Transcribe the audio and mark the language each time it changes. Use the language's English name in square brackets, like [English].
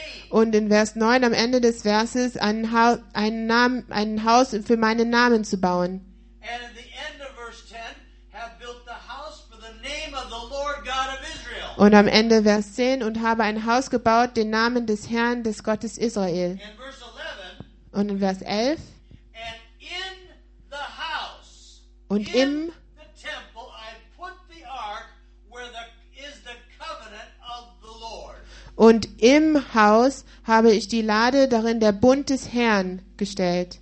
[German] und in Vers 9 am Ende des Verses ein Haus für meinen Namen zu bauen. [English] And at the end of verse 10 have built the house for the name of the Lord God of Israel. [German] Und am Ende Vers 10 und habe ein Haus gebaut den Namen des Herrn des Gottes Israel. [English] In verse 11, [German] und in Vers 11 [English] and in the house [German] und im [English] the temple I put the ark where the is the covenant of the Lord. [German] Und im Haus habe ich die Lade darin der Bund des Herrn gestellt.